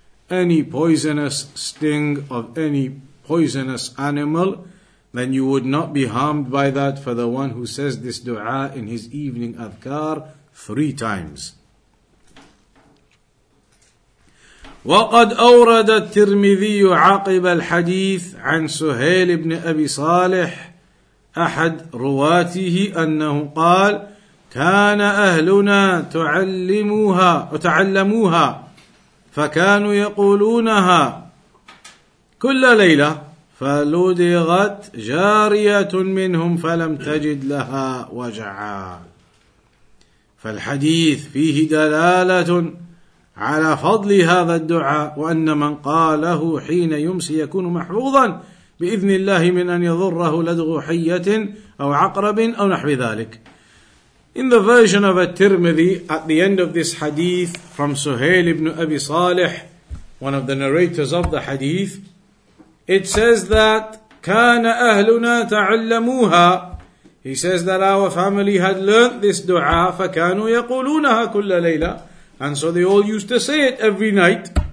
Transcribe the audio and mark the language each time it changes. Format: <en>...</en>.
<en>Any poisonous sting of any poisonous animal, then you would not be harmed by that for the one who says this dua in his evening adhkar three times.</en> <ar>وَقَدْ أَوْرَدَ التِّرْمِذِيُّ عَقِبَ الْحَدِيثِ عَنْ سُهَيْلِ بْنِ أَبِي صَالِحٍ أحد رواته أنه قال كان أهلنا تعلموها وتعلموها فكانوا يقولونها كل ليلة فلدغت جارية منهم فلم تجد لها وجعا. فالحديث فيه دلالة على فضل هذا الدعاء وأن من قاله حين يمسي يكون محفوظا بإذن الله من أن يضره لدغ حية أو عقرب أو نحو ذلك.</ar> <en>In the version of At-Tirmidhi, at the end of this hadith from Suhail ibn Abi Salih, one of the narrators of the hadith, it says that</en> <ar>كان أهلنا تعلموها.</ar> <en>He says that our family had learnt this dua,</en> <ar>فكانوا يقولونها كل ليلة,</ar> <en>and so they all used to say it every night.</en>